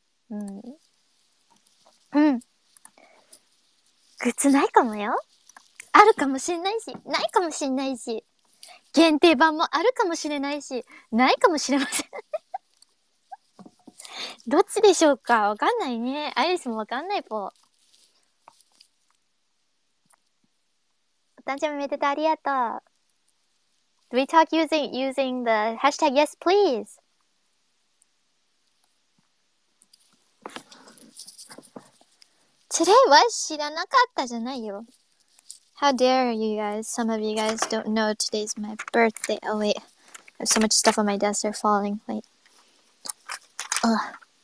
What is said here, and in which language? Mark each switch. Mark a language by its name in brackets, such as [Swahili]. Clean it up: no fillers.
[Japanese] グッズないかもよ。あるかもしんないし、ないかもしんないし、限定版もあるかもしれないし、ないかもしれません どっちでしょうか？わかんないね。アイリスもわかんないぽ。お誕生日めでたありがとう。 [English] Do we talk using the hashtag yes please? [Japanese] Today は知らなかったじゃないよ。 [English] How dare you guys? Some of you guys don't know today's my birthday. Oh wait, I have so much stuff on my desk, they're falling. Wait. Ugh.